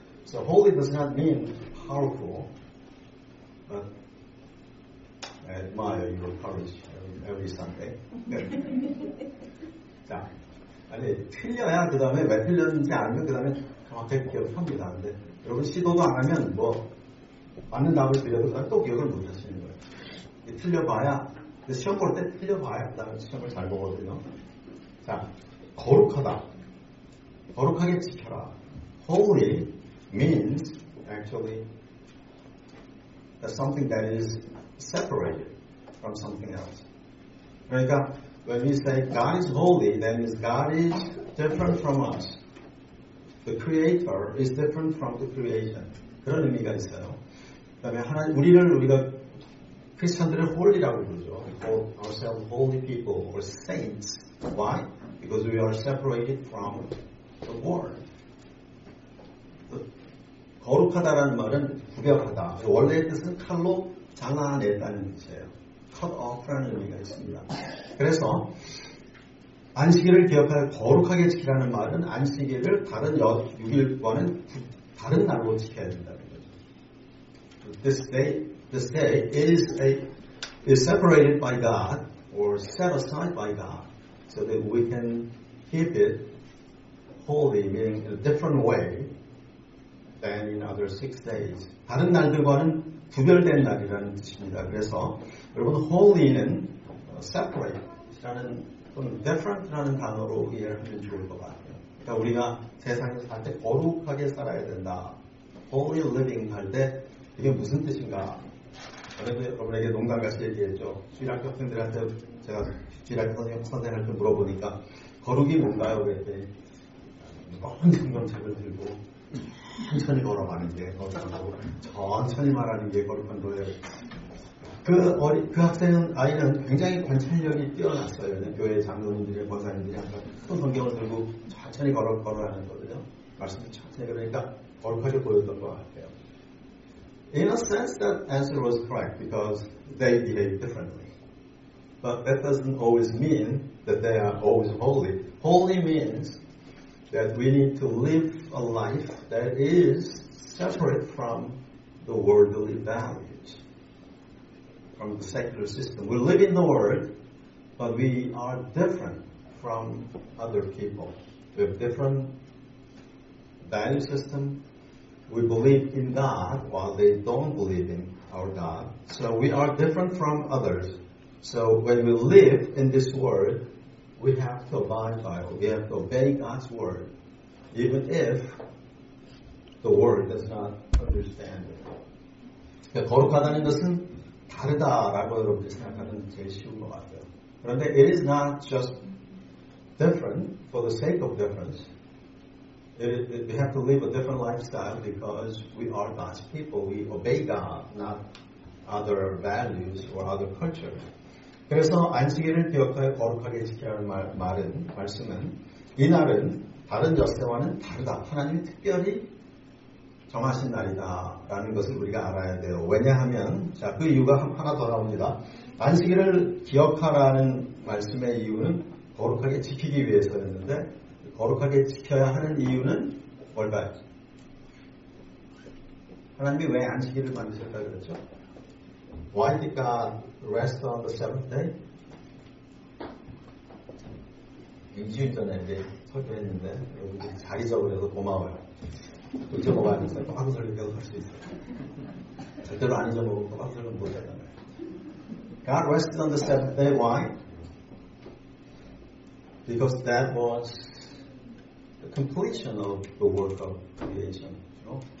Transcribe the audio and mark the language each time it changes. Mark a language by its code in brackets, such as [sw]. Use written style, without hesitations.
[en] So holy does not mean powerful, but I admire your courage every Sunday. [ko] 자, 아니 틀려야 그 다음에 왜 틀렸는지 알면 그 다음에 정확하게 기억합니다. 근데 여러분 시도도 안 하면 뭐 맞는 답을 드려도 또 기억을 못 하시는 거예요. 틀려봐야 시험 볼 때 틀려봐야 나는 시험을 잘 보거든요. 자, 거룩하다. 거룩하게 지켜라. [en] Holy means actually that something that is separated from something else. [ko] 그러니까 [en] when we say God is holy, that means God is different from us. The creator is different from the creation. [ko] 그런 의미가 있어요. [en] 그 다음에 하나님, 우리를 우리가 크리스천들을 홀리라고 부르죠. Call ourselves holy people or saints. Why? Because we are separated from the world. [ko] 거룩하다라는 말은 구별하다. 원래의 뜻은 칼로 잘라냈다는 뜻이에요. Cut off라는 의미가 있습니다. 그래서 안식일을 기억하여 거룩하게 지키라는 말은 안식일을 다른 6일과는 다른 날로 지켜야 된다는 거죠. [en] This day is separated by God or set aside by God so that we can keep it holy, meaning in a different way than in other six days. [ko] 다른 날들과는 구별된 날이라는 뜻입니다. 그래서 여러분, holy는 separate라는 또는 different라는 단어로 이해를 하면 좋을 것 같아요. 그러니까 우리가 세상에서 살 때 거룩하게 살아야 된다. [en] Holy living [ko] 할 때 이게 무슨 뜻인가? 그래도 여러분에게 농담같이 얘기했죠. 신학교 학생들한테 제가 신학교 선생님한테 물어보니까 거룩이 뭔가요? 그랬더니 먼 성경책을 들고 천천히 걸어가는 게 거룩하고 천천히 말하는 게 거룩한 거예요. 그 학생은 아이는 굉장히 관찰력이 뛰어났어요. 교회 장로님들이 권사님들이 항상 큰 성경을 들고 천천히 걸어가는 거거든요. 말씀도 천천히 그러니까 거룩하게 보였던 것 같아요. [en] In a sense, that answer was correct because they behave differently. But that doesn't always mean that they are always holy. Holy means that we need to live a life that is separate from the worldly values, from the secular system. We live in the world, but we are different from other people. We have different value system. We believe in God while they don't believe in our God. So we are different from others. So when we live in this world, we have to abide by it. We have to obey God's word, even if the world does not understand it. [ko] 거룩하다는 것은 다르다라고 여러분이 생각하는 제일 쉬운 것 같아요. 그런데 [en] it is not just different for the sake of difference. We have to live a different lifestyle because we are God's people. We obey God, not other values or other cultures. [ko] 그래서 안식일을 기억하여 거룩하게 지키라는 말씀은 이날은 다른 엿새와는 다르다. 하나님이 특별히 정하신 날이다 라는 것을 우리가 알아야 돼요. 왜냐하면 자, 그 이유가 하나 더 나옵니다. 안식일을 기억하라는 말씀의 이유는 거룩하게 지키기 위해서였는데 거룩하게 지켜야 하는 이유는 뭘까요? 하나님이 왜 안식일을 만드셨다고 그랬죠? [en] Why did God rest on the seventh day? [ko] 2주 전에 이제 설교했는데 여러분들이 자리 잡으셔서 고마워요. 잊어먹어야 돼서 빡빡 설교할 수 있어요. 절대로 안 잊어먹고 빡빡 설교 못하잖아요. [en] God rested on the seventh day. Why? Because that was the completion of the work of creation. You know?